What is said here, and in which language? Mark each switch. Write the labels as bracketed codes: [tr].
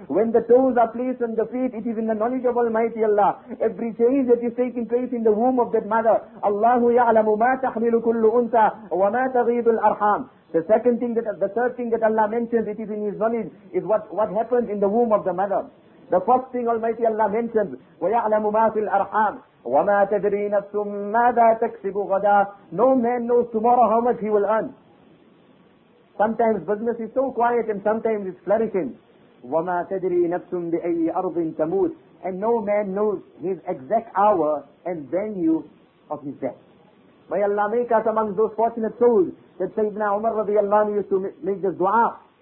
[en] When the toes are placed on the feet, it is in the knowledge of Almighty Allah. Every change that is taking place in the womb of that mother, [ar] Allahu ya'lamu ma tahmilu kullu unta wa ma taghidu al-arham. [en] The third thing that Allah mentions, it is in his knowledge, is what happens in the womb of the mother. The first thing Almighty Allah mentions, [ar] وَيَعْلَمُ مَا فِي الْأَرْحَامِ وَمَا تَدْرِي نَفْسٌ مَاذَا تَكْسِبُ غَدًا. [en] No man knows tomorrow how much he will earn. Sometimes business is so quiet and sometimes it's flourishing. [ar] وَمَا تَدْرِي نَفْسٌ بِأَيِّ أَرْضٍ تَمُوتٍ. [en] And no man knows his exact hour and venue of his death. May Allah make us among those fortunate souls that Sayyidina Umar رضي الله عنه used to make this dua.